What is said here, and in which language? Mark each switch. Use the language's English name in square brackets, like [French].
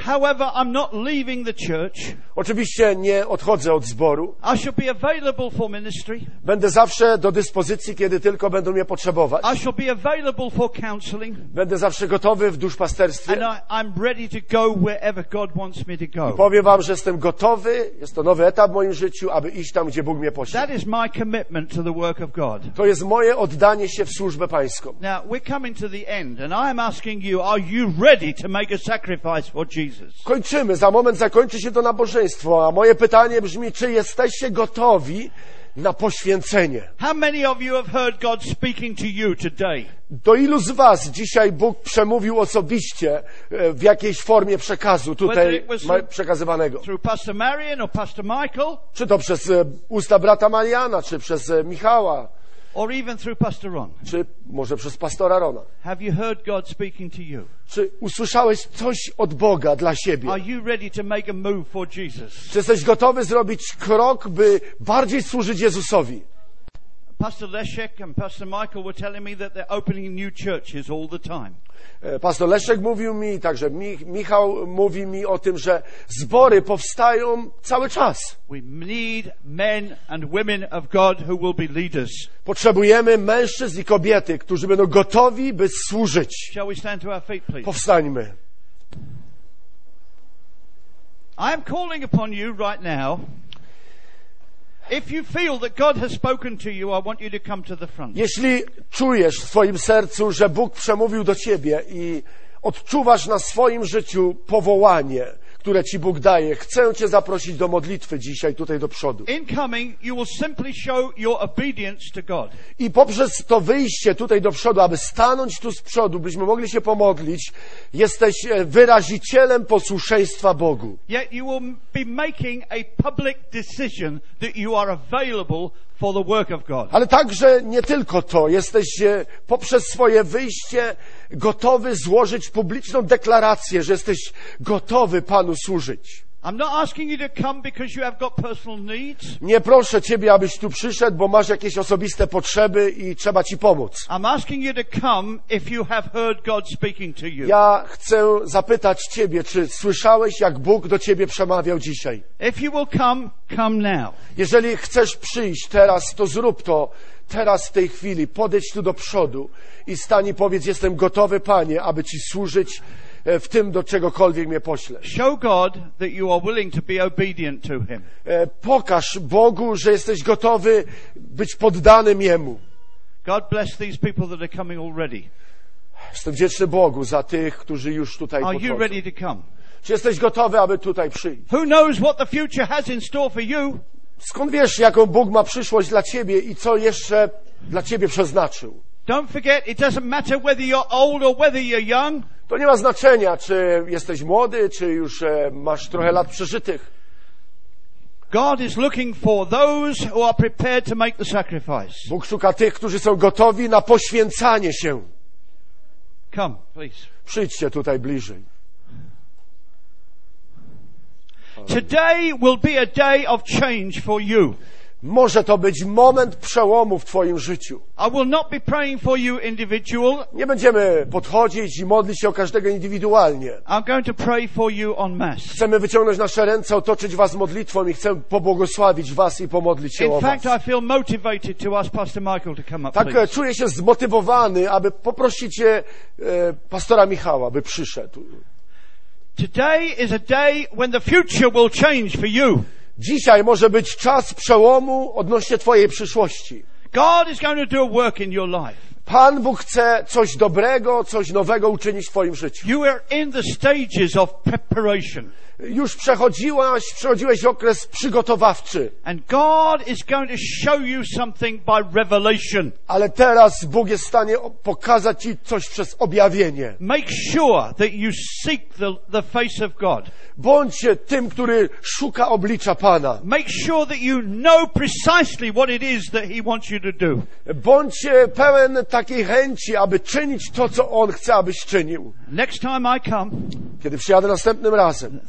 [English] However, I'm not leaving the church. [Polish] Oczywiście nie odchodzę od zboru. [English] I shall be available for ministry. [Polish] Będę zawsze do dyspozycji, kiedy tylko będą mnie potrzebować. [English] I shall be available for counseling. [Polish] Będę zawsze gotowy w duszpasterstwie. [English] And I'm ready to go wherever God wants me to go. [Polish] I powiem wam, że jestem gotowy, jest to nowy etap w moim życiu, aby iść tam, gdzie Bóg mnie pośle. [English] That is my commitment to the work of God. [Polish] To jest moje oddanie się w służbę Pańską. [English] Now we're coming to the end and I am asking you, are you ready to make a sacrifice for Jesus? [Polish] Kończymy, za moment zakończy się to nabożeństwo, a moje pytanie brzmi, czy jesteście gotowi na poświęcenie? [English] How many of you have heard God speaking to you today? [Polish] Do ilu z was dzisiaj Bóg przemówił osobiście w jakiejś formie przekazu tutaj przekazywanego? [English] Through Pastor Marian or Pastor Michael? [Polish] Czy to przez usta brata Mariana, czy przez Michała? [English] Or even through Pastor Ron? [Polish] Czy może przez pastora Rona? [English] Have you heard God speaking to you? [Polish] Czy usłyszałeś coś od Boga dla siebie? [English] Are you ready to make a move for Jesus? [Polish] Czy jesteś gotowy zrobić krok, by bardziej służyć Jezusowi? [English] Pastor Leszek and Pastor Michael were telling me that they're opening new churches all the time. [Polish] Pastor Leszek mówił mi, także Michał mówi mi o tym, że zbory powstają cały czas. [English] We need men and women of God who will be leaders. [Polish] Potrzebujemy mężczyzn i kobiety, którzy będą gotowi, by służyć. [English] Shall we stand to our feet, please? [Polish] Powstańmy. [English] I am calling upon you right now. If you feel that God has spoken to you, I want you to come to the front. [Polish] Jeśli czujesz w swoim sercu, że Bóg przemówił do ciebie i odczuwasz na swoim życiu powołanie, które ci Bóg daje, chcę cię zaprosić do modlitwy dzisiaj tutaj do przodu. [English] Incoming, you will simply show your obedience to God. [Polish] I poprzez to wyjście tutaj do przodu, aby stanąć tu z przodu, byśmy mogli się pomodlić, jesteś wyrazicielem posłuszeństwa Bogu. [English] Yet you will be making a public decision that you are available for the work of God. [Polish] Ale także nie tylko to, jesteś poprzez swoje wyjście gotowy złożyć publiczną deklarację, że jesteś gotowy Panu służyć. [English] I'm not asking you to come because you have got personal needs. [Polish] Nie proszę ciebie, abyś tu przyszedł, bo masz jakieś osobiste potrzeby i trzeba ci pomóc. [English] I'm asking you to come if you have heard God speaking to you. [Polish] Ja chcę zapytać ciebie, czy słyszałeś, jak Bóg do ciebie przemawiał dzisiaj. [English] If you will come, come now. [Polish] Jeżeli chcesz przyjść teraz, to zrób to teraz, w tej chwili. Podejdź tu do przodu i stań i powiedz, jestem gotowy, Panie, aby ci służyć w tym, do czegokolwiek mnie pośle. [English] Show God that you are willing to be obedient to him. [Polish] Pokaż Bogu, że jesteś gotowy być poddanym Jemu. [English] God bless these people that are coming already. [Polish] Jestem wdzięczny Bogu za tych, którzy już tutaj podchodzą. [English] Are you ready to come? [Polish] Czy jesteś gotowy, aby tutaj przyjść? [English] Who knows what the future has in store for you? [Polish] Skąd wiesz, jaką Bóg ma przyszłość dla ciebie i co jeszcze dla ciebie przeznaczył? [English] Don't forget, it doesn't matter whether you're old or whether you're young. [Polish] To nie ma znaczenia, czy jesteś młody, czy już masz trochę lat przeżytych. [English] God is looking for those who are prepared to make the sacrifice. [Polish] Bóg szuka tych, którzy są gotowi na poświęcanie się. [English] Come, please. [Polish] Przyjdźcie tutaj bliżej. [English] Today will be a day of change for you. [Polish] Może to być moment przełomu w twoim życiu. [English] I will not be praying for you individual. [Polish] Nie będziemy podchodzić i modlić się o każdego indywidualnie. [English] I'm going to pray for you en masse. [Polish] Chcemy wyciągnąć nasze ręce, otoczyć was modlitwą i chcę pobłogosławić was i pomodlić się [English] In [Polish] o [English] fact, [Polish] was. [English] I feel motivated to ask Pastor Michael to come up, [Polish] tak, [English] please. [Polish] Czuję się zmotywowany, aby poprosić pastora Michała, by przyszedł. [English] Today is a day when the future will change for you. [Polish] Dzisiaj może być czas przełomu odnośnie twojej przyszłości. [English] God is going to do a work in your life. [Polish] Pan Bóg chce coś dobrego, coś nowego uczynić w twoim życiu. [English] You are in the stages of preparation. [Polish] Już przechodziłeś okres przygotowawczy. [English] And God is going to show you something by revelation. [Polish] Ale teraz Bóg jest w stanie pokazać ci coś przez objawienie. [English] Make sure that you seek the face of God. [Polish] Bądź tym, który szuka oblicza Pana. [English] Make sure that you know precisely what it is that he wants you to do. [Polish] Bądź pełen takiej chęci, aby czynić to, co on chce, abyś czynił. [English] Next time I come. [Polish] Kiedy przyjadę następnym razem.